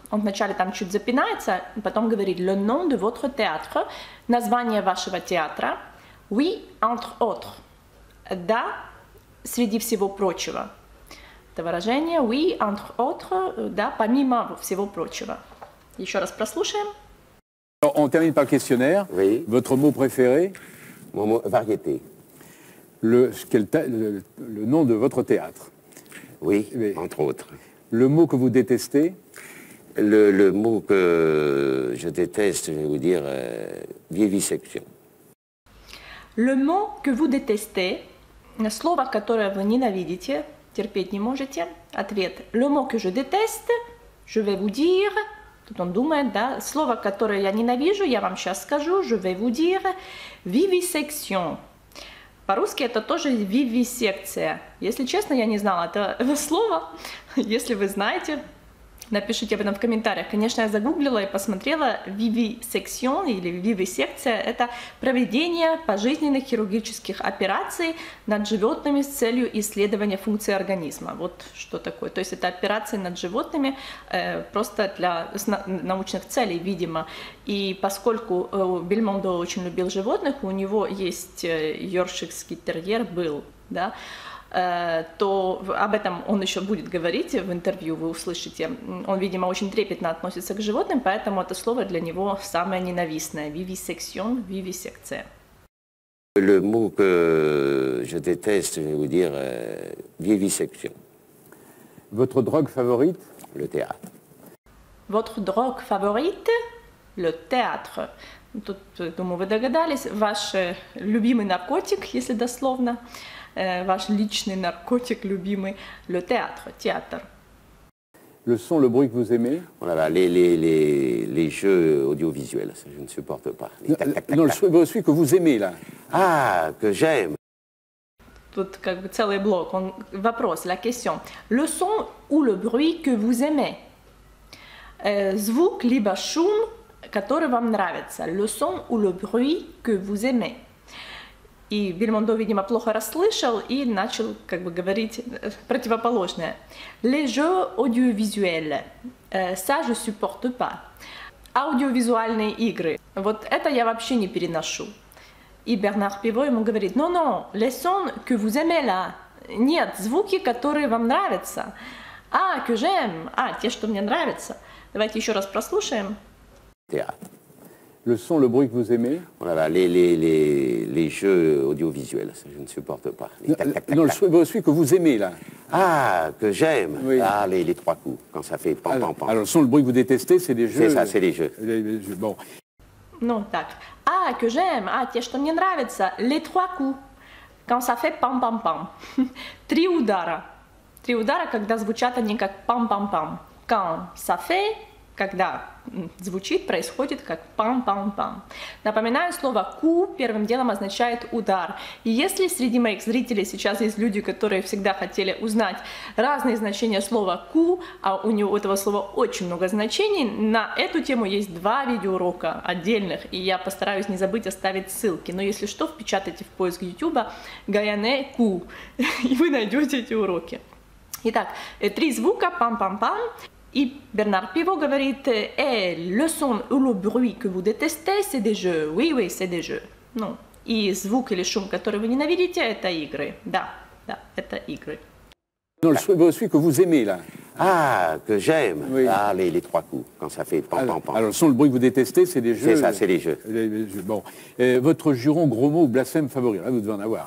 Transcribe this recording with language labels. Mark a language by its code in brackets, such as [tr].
[ru] Он вначале там чуть запинается, потом говорит [fr] le nom de votre théâtre. [ru] Название вашего театра. [fr] Oui, entre autres. [ru] Да, среди всего прочего. это выражение «oui», [fr] «entre autres», [ru] да, «помимо всего прочего». Еще раз прослушаем. [fr] Alors, on termine par le questionnaire. Oui. Votre mot préféré? Mon mot «variété». Le nom de votre théâtre? Oui, oui, entre autres. Le mot que vous détestez? Le mot que je déteste, je vais vous dire, «vivisection». Le mot que vous détestez, le [ru] слово, которое вы ненавидите, терпеть не можете, ответ. [fr] Le mot que je déteste, je vais vous dire, [ru] тут он думает, да, слово, которое я ненавижу, я вам сейчас скажу, [fr] je vais vous dire, [ru] «vivisection». По-русски это тоже «vivisection». Если честно, я не знала этого слова, если вы знаете, напишите об этом в комментариях. Конечно, я загуглила и посмотрела. Vivisection или вивисекция – это проведение пожизненных хирургических операций над животными с целью исследования функции организма. Вот что такое. То есть это операции над животными просто для научных целей, видимо. И поскольку Бельмондо очень любил животных, у него есть йоркширский терьер был, да, то об этом он еще будет говорить в интервью, вы услышите. Он, видимо, очень трепетно относится к животным, поэтому это слово для него самое ненавистное. [fr] Vivisection, vivisection. Le mot que je déteste, je vais vous dire, vivisection. Votre drogue favorite? Le théâtre. Votre drogue favorite? Le théâtre. [ru] Тут, думаю, вы догадались. Ваш любимый наркотик, если дословно. Ваш личный наркотик любимый, le théâtre, театр. [fr] Le son, le bruit que vous aimez? Oh là là, les jeux audiovisuels, je ne supporte pas. Non, celui que vous aimez, là. Ah, que j'aime. [ru] Тут как бы целый блок, вопрос, la question. [fr] Le son ou le bruit que vous aimez? [ru] Звук, либо шум, который вам нравится. [fr] Le son ou le bruit que vous aimez? [ru] И Бельмондо, видимо, плохо расслышал и начал как бы говорить противоположное. [fr] Les jeux audiovisuels. Ça, je supporte pas. [ru] Аудиовизуальные игры. Вот это я вообще не переношу. И Бернар Пиво ему говорит, [fr] non, les sons que vous aimez là. [ru] Нет, звуки, которые вам нравятся. А, [fr] que j'aime. [ru] А, те, что мне нравятся. Давайте еще раз прослушаем. Театр. [fr] Le son, le bruit que vous aimez? Oh là là, les jeux audiovisuels, je ne supporte pas. Celui que vous aimez, là. Ah, que j'aime. Oui. Ah, les trois coups, quand ça fait pam, pam, pam. Alors, le son, le bruit que vous détestez, c'est les jeux. C'est ça, c'est les jeux. Bon. Non, [ru] так. [fr] Ah, que j'aime. [ru] Ah, те, что мне нравится. [fr] Les trois coups, quand ça fait pam, pam, pam. [ru] Три удара. Три удара, когда звучат они как пам, пам, пам. [fr] Quand ça fait... [ru] Когда звучит, происходит как пам-пам-пам. Напоминаю, слово «ку» первым делом означает «удар». И если среди моих зрителей сейчас есть люди, которые всегда хотели узнать разные значения слова «ку», а у него у этого слова очень много значений, на эту тему есть два видеоурока отдельных, и я постараюсь не забыть оставить ссылки. Но если что, впечатайте в поиск YouTube «Гаяне ку», и вы найдете эти уроки. Итак, три звука «пам-пам-пам». И Бернар Пиво говорит, [fr] le son ou le bruit que vous détestez, c'est des jeux. Oui, oui, c'est des jeux. [ru] Ну, и звук или шум, который вы ненавидите, это игры. Да, да, это игры. [fr] Non, celui que vous aimez, là. Ah, que j'aime. Oui. Ah, les trois coups, quand ça fait pam, pam, pam. Alors, le son, le bruit que vous détestez, c'est des jeux. C'est ça, c'est les jeux. Bon, votre juron, gros mot ou blasphème favori, là, vous devez en avoir.